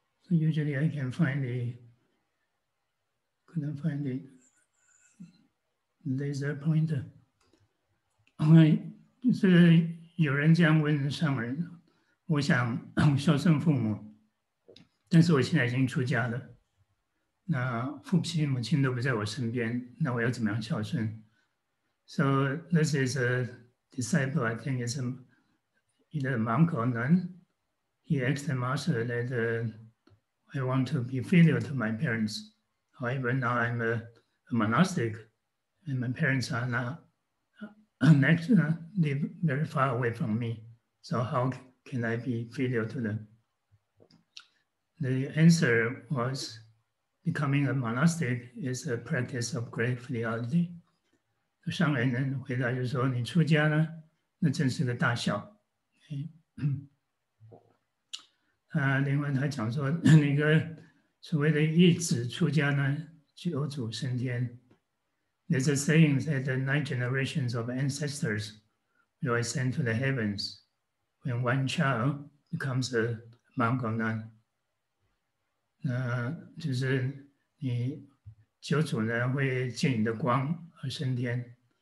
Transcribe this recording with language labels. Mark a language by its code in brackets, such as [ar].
[en] Usually I can find the, couldn't find the laser pointer. [zh] Okay, 就是有人这样问上人，我想孝顺父母，但是我现在已经出家了，那父亲母亲都不在我身边，那我要怎么样孝顺? [en] So this is a disciple, I think it's either a monk or nun. He asked the master that, I want to be filial to my parents. However, now I'm a monastic, and my parents are not actually live very far away from me. So how can I be filial to them? The answer was, becoming a monastic is a practice of great filiality. [zh] 上人回答就说你出家呢那真是个大孝。另外他讲说那个所谓的义子出家呢，九祖升天。 [en] There's a saying that the nine generations of ancestors were sent to the heavens when one child becomes a monk or nun. [zh] 那就是你九祖呢会借你的光而升天。